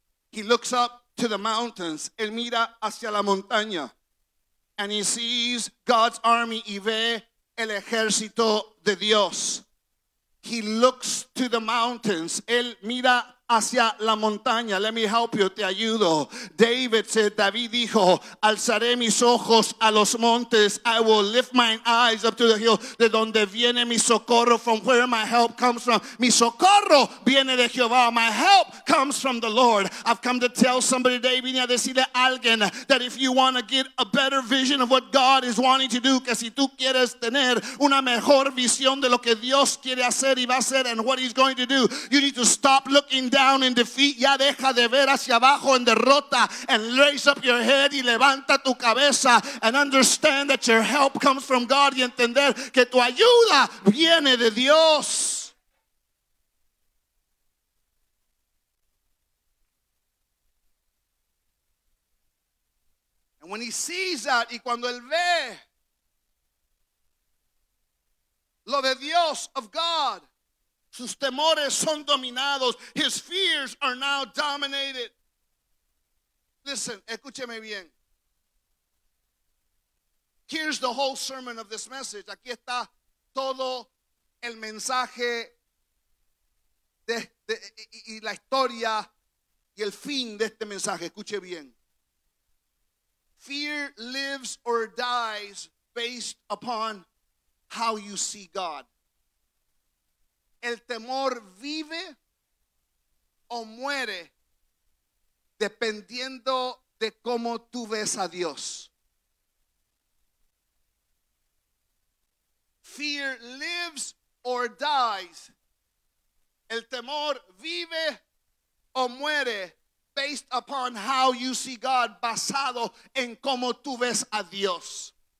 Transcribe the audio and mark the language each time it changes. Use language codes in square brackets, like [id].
[en] He looks up to the mountains. [es] Él mira hacia la montaña. [en] And he sees God's army. [es] Y ve el ejército de Dios. [en] He looks to the mountains. [es] Él mira hacia la montaña. [en] Let me help you. [es] Te ayudo. [en] David said, [es] David dijo, alzaré mis ojos a los montes. [en] I will lift my eyes up to the hill. [es] De donde viene mi socorro. [en] From where my help comes from. [es] Mi socorro viene de Jehová. [en] My help comes from the Lord. I've come to tell somebody today. [es] Vine a decirle a alguien [en] that if you want to get a better vision of what God is wanting to do. [es] Que si tú quieres tener una mejor visión de lo que Dios quiere hacer y va a hacer [en] and what he's going to do. You need to stop looking down in defeat, [es] ya deja de ver hacia abajo en derrota, [en] and raise up your head [es] y levanta tu cabeza, [en] and understand that your help comes from God, [es] y entender que tu ayuda viene de Dios. [en] And when he sees that, [es] y cuando él ve lo de Dios, [en] of God, [es] sus temores son dominados. [en] His fears are now dominated. Listen, [es] escúcheme bien. [en] Here's the whole sermon of this message. [es] Aquí está todo el mensaje de, y la historia y el fin de este mensaje. Escuche bien. [en] Fear lives or dies based upon how you see God. [es] El temor vive o muere dependiendo de cómo tú ves a Dios. [en] Fear lives or dies. [es] El temor vive o muere [en] based upon how you see God, [es] basado en cómo tú ves a Dios.